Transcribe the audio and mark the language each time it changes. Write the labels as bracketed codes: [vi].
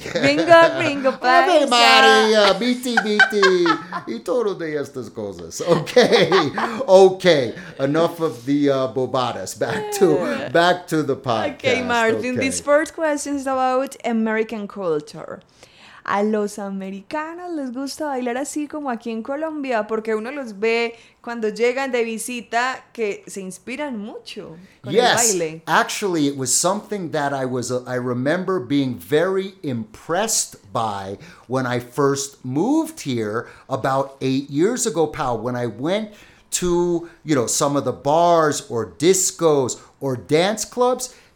[es] Gringo paisa. Ave Maria, miti. Y todo de estas cosas. [en] Okay. Enough of the bobadas. Back to the podcast. Okay, Martin. Okay. This first question is about American culture. [es] a los americanos les gusta bailar así como aquí en Colombia, porque uno los ve cuando llegan de visita que se inspiran mucho con [en] yes, [es] el baile. [en] Yes, actually it was something that I remember being very impressed by when I first moved here about 8 years ago, pal, when I went to, you know, some of the bars or discos or dance clubs.